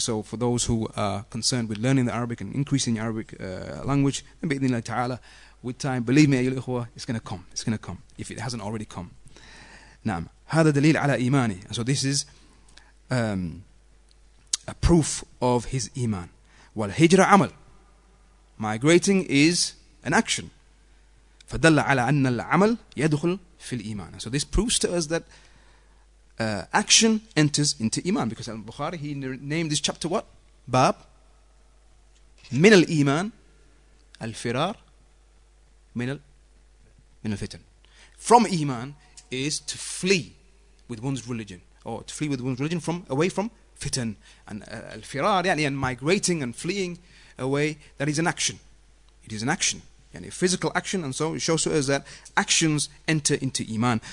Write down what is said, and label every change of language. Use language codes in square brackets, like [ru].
[en] So for those who are concerned with learning the Arabic and increasing the Arabic language, [ar] bi'idhnillahi ta'ala, [en] with time, believe me, [ar] Ayyul Ikhwa, [en] it's going to come. It's going to come, if it hasn't already come. [ar] Naam. هذا دليل على إيماني. [en] So this is a proof of his iman. [ar] Wal hijra amal. [en] Migrating is an action. [ar] فدل على أن العمل يدخل في الإيمان. [en] So this proves to us that action enters into iman. Because Al-Bukhari, he named this chapter what? [ar] Bab. من الإيمان الفرار من الفتن. [en] From iman is to flee with one's religion, or to flee with one's religion from away from fitan. And al-firar, yani, and migrating and fleeing away, that is an action. It is an action, yani, a physical action. And so it shows to us that actions enter into iman.